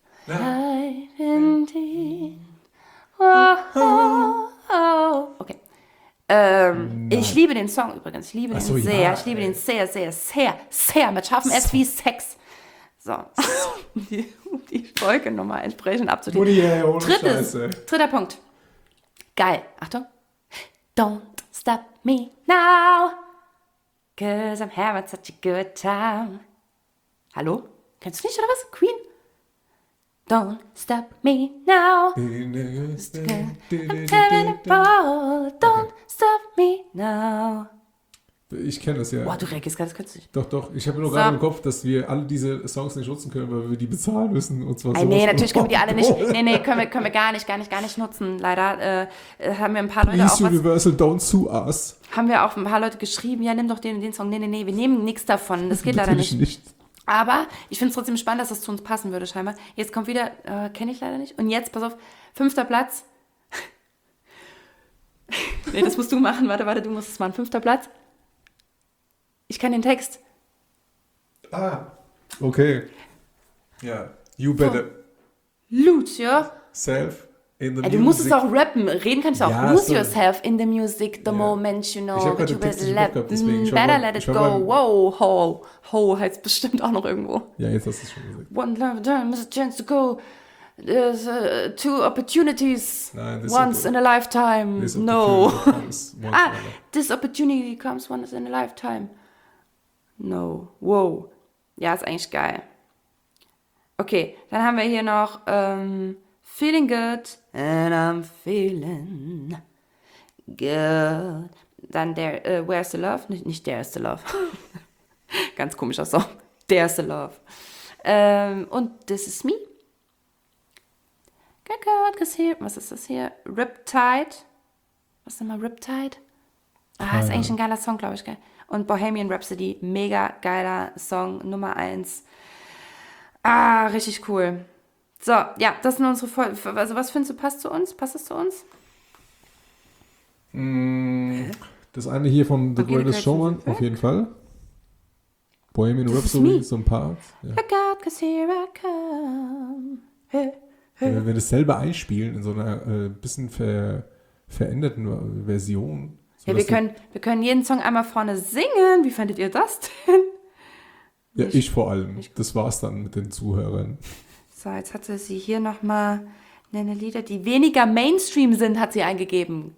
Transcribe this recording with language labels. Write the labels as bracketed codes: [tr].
[en] life in oh, oh, oh. Okay. [de] Ich liebe den Song übrigens. Ich liebe den sehr. Ja, ich liebe den sehr, sehr, sehr, sehr. Mit scharfem S wie Sex. So. Um die Folge nochmal entsprechend abzudecken. Oh, yeah, ohne Drittes, Scheiße. Dritter Punkt. Geil. Achtung. [en] Don't stop me now, 'cause I'm having such a good time. [de] Hallo? Kennst du nicht, oder was? Queen? [en] Don't stop me now, 'cause I'm having a ball. Don't stop me now. [de] Ich kenne das ja. Boah, du reagierst gerade, das kannst du nicht. Doch. Ich habe nur gerade im Kopf, dass wir alle diese Songs nicht nutzen können, weil wir die bezahlen müssen und zwar so. Nee, natürlich können wir die alle nicht. Nee, können wir gar nicht nutzen. Leider haben wir ein paar [en] Please [de] Leute auch. [en] Please, Universal, don't sue us. [de] Haben wir auch ein paar Leute geschrieben, ja, nimm doch den Song. Nee, wir nehmen nichts davon. Das geht natürlich leider nicht. Nicht. Aber ich finde es trotzdem spannend, dass das zu uns passen würde, scheinbar. Jetzt kommt wieder, kenne ich leider nicht. Und jetzt, pass auf, fünfter Platz. Nee, das musst du machen. Warte, du musst es machen. Fünfter Platz. Ich kenne den Text. [en] Ah, okay. Ja, yeah. You better. Lose yourself. In the [de] du musst es auch rappen. Reden kannst du auch. [en] Ja, lose yourself in the music, the moment you know. [de] Ich hab gerade den Text nicht im Kopf gehabt, deswegen. [en] Better let it go. Wow, ho. [de] Ho heißt bestimmt auch noch irgendwo. Ja, jetzt hast du es schon gesagt. [en] One love, there's a chance to go. There's two opportunities. [de] Nein, [en] once in a lifetime. This no. Comes once this opportunity comes once in a lifetime. [de] No. Wow. Ja, ist eigentlich geil. Okay, dann haben wir hier noch Feeling Good. [en] And I'm feeling good. [de] Dann der Where's the Love? Nicht There's the Love. Ganz komischer Song. There's the Love. Und This Is Me. [en] Get good, cause here, [de] was ist das hier? [en] Riptide. [de] Was ist denn mal Riptide? Ah, ist eigentlich ein geiler Song, glaube ich. Geil. Und Bohemian Rhapsody. Mega geiler Song, Nummer 1. Ah, richtig cool. So, ja, das sind unsere Folgen. Also, was findest du, passt zu uns? Passt das zu uns? Das eine hier von The Greatest Showman, auf jeden Fall. Bohemian Rhapsody, so ein Part. Ja. [en] Look out, cause here I come. Hey. [de] Wenn wir das selber einspielen in so einer bisschen veränderten Version. Ja, wir können jeden Song einmal vorne singen. Wie fandet ihr das denn? Ja, ich vor allem. Das war's dann mit den Zuhörern. So, jetzt hatte sie hier nochmal eine Lieder, die weniger Mainstream sind, hat sie eingegeben.